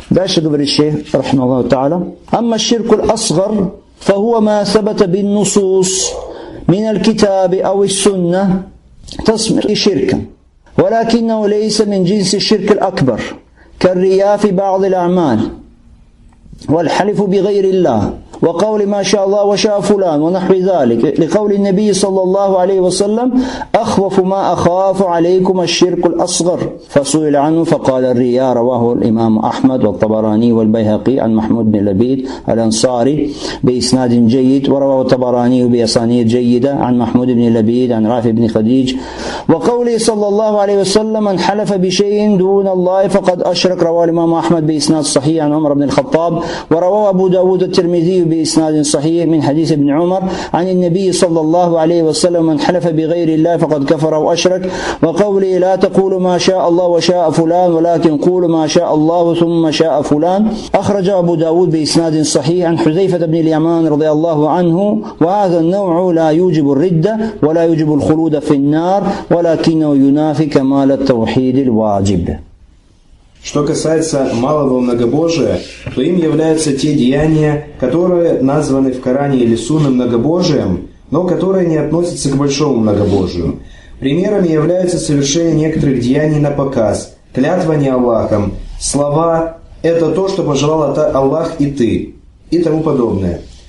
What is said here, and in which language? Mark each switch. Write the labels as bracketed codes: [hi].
[ru] Дальше говорит шейх, [ar] рахима Аллаху тааля. Амма ширку аль-асгар, фахуа ма сабата бин нусус, мин аль-китаби ау ис-сунна, тасми ширка. Валакиннау лейса мин джинси ширка аль-акбар, кар-рия фи ба'ди аль-а'маль, вал-халифу би гайри Аллах. وقول ما شاء الله وشاء فلان ونحو ذلك لقول النبي صلى الله عليه وسلم أخوف ما أخاف عليكم الشرك الأصغر فسئل عنه فقال الرياء رواه الإمام أحمد والطبراني والبيهقي عن محمود بن لبيد الأنصاري بإسناد جيد ورواه الطبراني بأسانيد جيدة عن محمود بن لبيد عن رافع بن خديج وقوله صلى الله عليه وسلم من حلف بشيء دون الله فقد أشرك رواه الإمام أحمد بإسناد صحيح عن عمر بن الخطاب ورواه أبو داود الترمذي بإسناد صحيح من حديث ابن عمر عن النبي صلى الله عليه وسلم من حلف بغير الله فقد كفر وأشرك وقوله لا تقول ما شاء الله وشاء فلان ولكن قول ما شاء الله ثم شاء فلان أخرج أبو داود بإسناد صحيح عن حذيفة بن اليمان رضي الله عنه وهذا النوع لا يوجب الردة ولا يوجب الخلود في النار ولكنه ينافي كمال التوحيد الواجب. [ru] Что касается малого многобожия, то им являются те деяния, которые названы в Коране или Сунне многобожием, но которые не относятся к большому многобожию. Примерами являются совершение некоторых деяний на показ, клятва не Аллахом, слова «это то, что пожелал Аллах и ты» и тому подобное.